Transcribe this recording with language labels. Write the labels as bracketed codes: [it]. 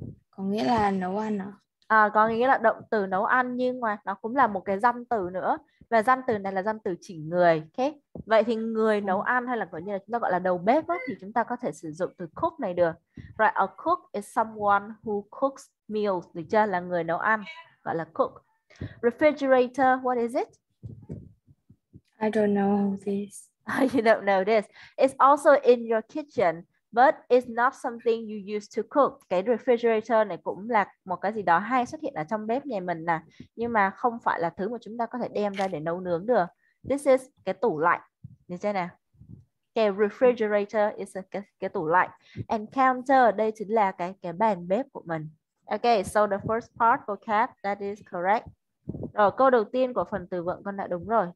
[vi] Có nghĩa là nấu ăn ạ. À, có nghĩa là động từ nấu ăn, nhưng mà nó cũng là một cái danh từ nữa. Và danh từ này là danh từ chỉ người. Okay. Vậy thì người nấu ăn hay là gọi như là chúng ta gọi là đầu bếp đó, thì chúng ta có thể sử dụng từ cook này được. [en] Right, a cook is someone who cooks meals. [vi] Được chưa? Là người nấu ăn. Gọi là cook. [en] Refrigerator, what is it? I don't know this. You don't know this. It's also in your kitchen. But it's not something you use to cook. [vi] Cái refrigerator này cũng là một cái gì đó hay xuất hiện ở trong bếp nhà mình nè. Nhưng mà không phải là thứ mà chúng ta có thể đem ra để nấu nướng được. [en] This is [vi] cái tủ lạnh. Được chưa nè? Cái refrigerator is cái tủ lạnh. [en] And counter, [vi] đây chính là cái bàn bếp của mình. [en] Okay, so the first part of vocab, that is correct. [vi] Rồi, câu đầu tiên của phần từ vựng con đã đúng rồi.